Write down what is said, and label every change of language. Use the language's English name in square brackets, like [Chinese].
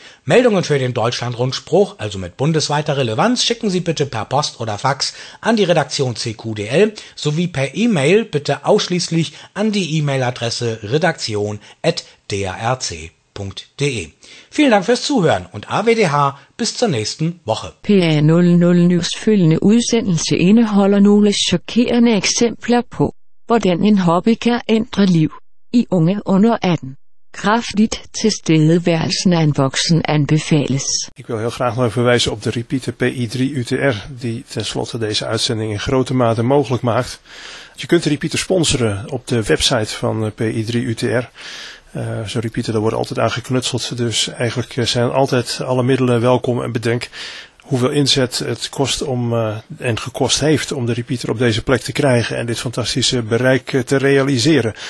[German] Meldungen für den Deutschlandrundspruch, also mit bundesweiter Relevanz, schicken Sie bitte per Post oder Fax an die Redaktion CQDL sowie per E-Mail bitte ausschließlich an die E-Mail-Adresse redaktion@darc.de. Vielen Dank fürs Zuhören und AWDH bis zur nächsten Woche. [Danish] PA00 News følgende udsendelse indeholder nogle chokerende eksempler på, hvordan en hobby kan ændre liv i unge under 18. Kraftigt tilstedeværelsen af en voksen anbefales. [Dutch] Ik wil heel graag nog verwijzen op de repeater PI3UTR, die tenslotte deze uitzending in grote mate mogelijk maakt. Je kunt de repeater sponsoren op de website van PI3UTR. Zo'n repeater, daar wordt altijd aan geknutseld, dus eigenlijk zijn altijd alle middelen welkom en bedenk hoeveel inzet het kost om en gekost heeft om de repeater op deze plek te krijgen en dit fantastische bereik te realiseren.